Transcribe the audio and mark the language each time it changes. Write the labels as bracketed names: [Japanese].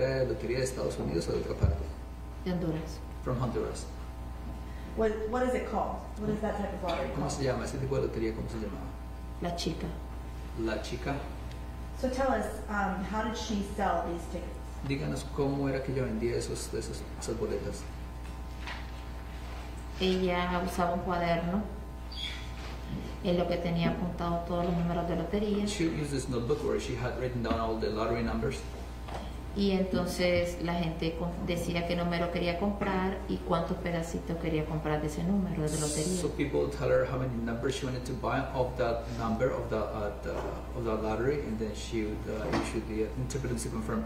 [Spanish] ¿Era lotería de Estados Unidos o de otra parte? De Honduras. [English] From Honduras. What is it called? What is that type of lottery [Spanish] ¿Cómo [English] called? [Spanish] Se llama? ¿Ese tipo de lotería cómo se llamaba? La chica. La chica. [English] So tell us, how did she sell these tickets? [Spanish] Díganos cómo era que ella vendía esos, esos, esas boletas. Ella usaba un cuaderno en lo que tenía apuntado todos los números de lotería. [English] She used this notebook where she had written down all the lottery numbers. [Spanish] Y entonces la gente decía qué número quería comprar y cuántos pedacitos quería comprar de ese número de lotería. [English] So people would tell her how many numbers she wanted to buy of that number of the lottery, and then she would issue the interpretancy confirm.